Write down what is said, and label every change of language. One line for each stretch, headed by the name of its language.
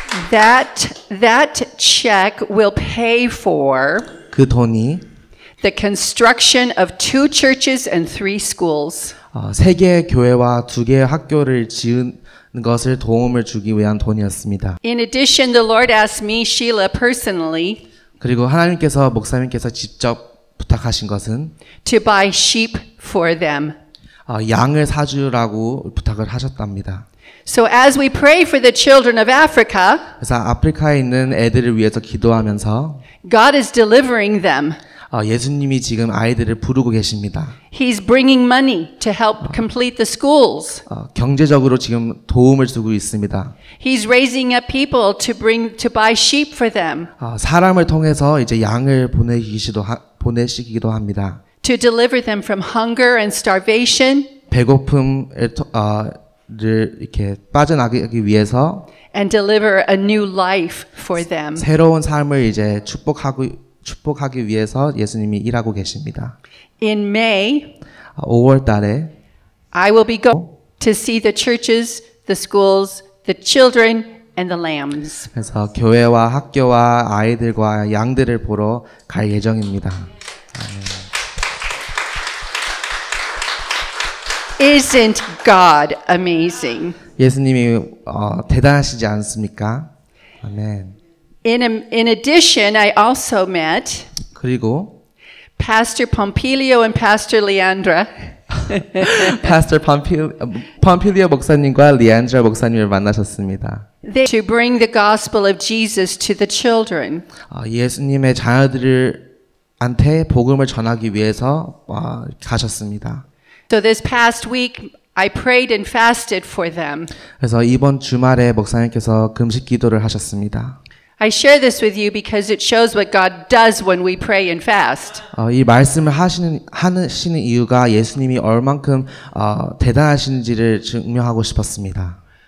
English: That check will pay for
Korean: 그 돈이
English: the construction of 2 churches and 3 schools.
Korean: 세 개의 교회와 두 개의 학교를 지은 것을 도움을 주기 위한 돈이었습니다.
English: In addition, the Lord asked me, Sheila, personally.
Korean: 그리고 하나님께서 목사님께서 직접 부탁하신 것은
English: to buy sheep for them.
Korean: 양을 사주라고 부탁을 하셨답니다.
English: So as we pray for the children of Africa,
Korean: 그래서 아프리카에 있는 애들을 위해서 기도하면서
English: God is delivering them.
Korean: 예수님이 지금 아이들을 부르고 계십니다.
English: He's bringing money to help complete the schools.
Korean: 경제적으로 지금 도움을 주고 있습니다.
English: He's raising up people to buy sheep for them.
Korean: 사람을 통해서 이제 양을 보내시기도 합니다.
English: To deliver them from hunger and starvation.
Korean: 배고픔을 이렇게 빠져나가기 위해서.
English: And deliver a new life for them.
Korean: 새로운 삶을 이제 축복하기 위해서 예수님이 일하고 계십니다.
English: In May,
Korean: 5월 달에
English: I will be going to see the churches, the schools, the children, and the lambs.
Korean: 그래서 교회와 학교와 아이들과 양들을 보러 갈 예정입니다.
English: Isn't God amazing?
Korean: 예수님이 대단하시지 않습니까? 아멘.
English: In addition, I also met
Korean: 그리고
English: Pastor Pompilio and Pastor Leandra.
Korean: Pastor Pompilio 목사님과 Leandra 목사님을 만나셨습니다.
English: To bring the gospel of Jesus to the children.
Korean: 예수님의 자녀들한테 복음을 전하기 위해서 가셨습니다.
English: So this past week, I prayed and fasted for them.
Korean: 그래서 이번 주말에 목사님께서 금식 기도를 하셨습니다.
English: I share this with you because it shows what God does when we pray and fast.
Korean: 이 말씀을 하시는 이유가 예수님이 얼만큼 대단하신지를 증명하고 싶었습니다.